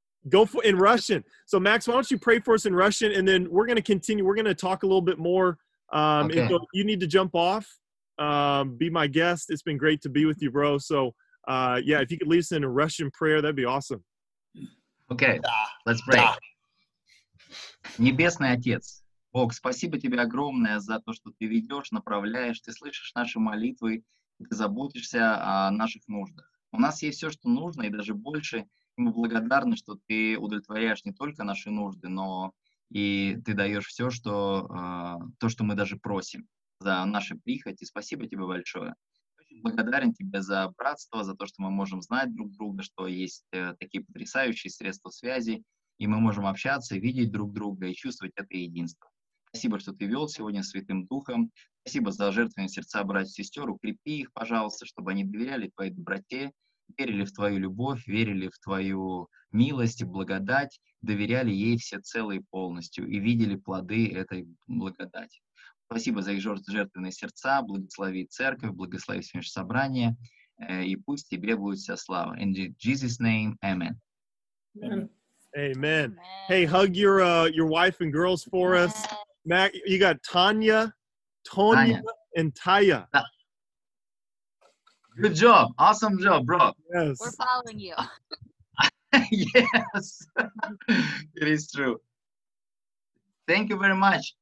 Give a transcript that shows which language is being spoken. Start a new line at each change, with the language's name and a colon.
English: Go for in Russian. So Max, why don't you pray for us in Russian, and then we're going to continue. We're going to talk a little bit more. Okay. And so you need to jump off. Be my guest. It's been great to be with you, bro. So yeah, if you could lead us in a Russian prayer, that'd be awesome. Okay, let's pray.
Russian: Небесный Отец, Бог, спасибо тебе огромное за то, что ты ведешь, направляешь, ты слышишь наши молитвы, ты заботишься о наших нуждах. У нас есть все, что нужно, и даже больше. Мы благодарны, что ты удовлетворяешь не только наши нужды, но и ты даешь все, что то, что мы даже просим за наши прихоти. Спасибо тебе большое. Очень благодарен тебе за братство, за то, что мы можем знать друг друга, что есть такие потрясающие средства связи, и мы можем общаться, видеть друг друга и чувствовать это единство. Спасибо, что ты вел сегодня Святым Духом. Спасибо за жертвенные сердца братьев и сестер. Укрепи их, пожалуйста, чтобы они доверяли твоей доброте, верили в твою любовь, верили в твою милость и благодать, доверяли ей всецело и полностью и видели плоды этой благодати. Спасибо за их жертвенные сердца. Благослови церковь, благослови все собрания, и пусть тебе будет вся слава.
English: In Jesus' name, amen. Amen. Amen. Hey, hug your wife and girls for us. Mac, you got Tanya, and Taya. Good job. Awesome job, bro. Yes. We're following you. Yes. It is true. Thank you very much.